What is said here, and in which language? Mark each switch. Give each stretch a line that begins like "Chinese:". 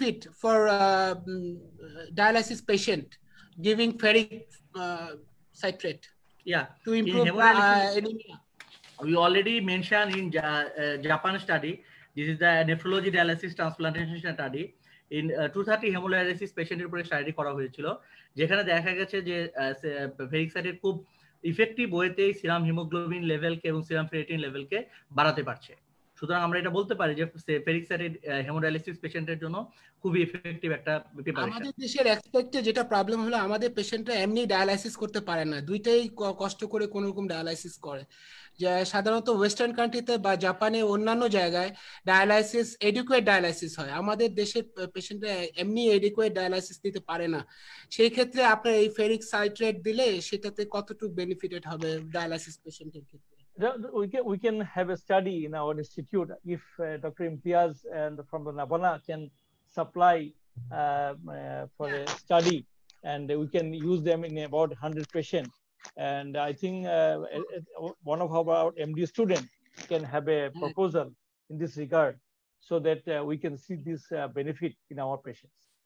English: Is there any benefit for dialysis patient giving ferric citrate? Yeah. To improve anemia. We already mentioned in Japan study, this is the nephrology dialysis transplantation study. In 230 hemodialysis patient
Bangla: উপরে study করা হয়েছিল যেখানে দেখা গেছে যে ferric সাইটেট খুব effective ওয়েতেই serum haemoglobin লেভেলকে এবং serum ferritin লেভেলকে বাড়াতে পারছে সুতরাং আমরা এটা বলতে পারি যে ফেরিক সাইটেট হিমোডায়ালিসিস পেশেন্টের জন্য খুব ইফেক্টিভ একটা প্রিপারেশন আমাদের দেশের এক্সপেক্টে যেটা প্রবলেম হলো আমাদের পেশেন্টরা এমনি ডায়ালাইসিস করতে পারে না দুইটাই কষ্ট করে কোন রকম ডায়ালাইসিস করে সাধারণত ওয়েস্টার্ন কান্ট্রিতে বা জাপানে অন্যান্য জায়গায় ডায়ালাইসিস এডিকুয়েট ডায়ালাইসিস হয় আমাদের দেশের পেশেন্টরা এমনি এডিকুয়েট ডায়ালাইসিস দিতে পারে না সেই ক্ষেত্রে আপনার এই ফেরিক সাইট্রেট দিলে সেটাতে কতটুকু বেনিফিটেড হবে ডায়ালাইসিস পেশেন্টের ক্ষেত্রে
English: We can have a study in our institute if Dr. Imtiaz and from the Navana can supply for a study, and we can use them in about 100 patients. And I think one of our MD students can have a proposal in this regard so that we can see this benefit in our patients.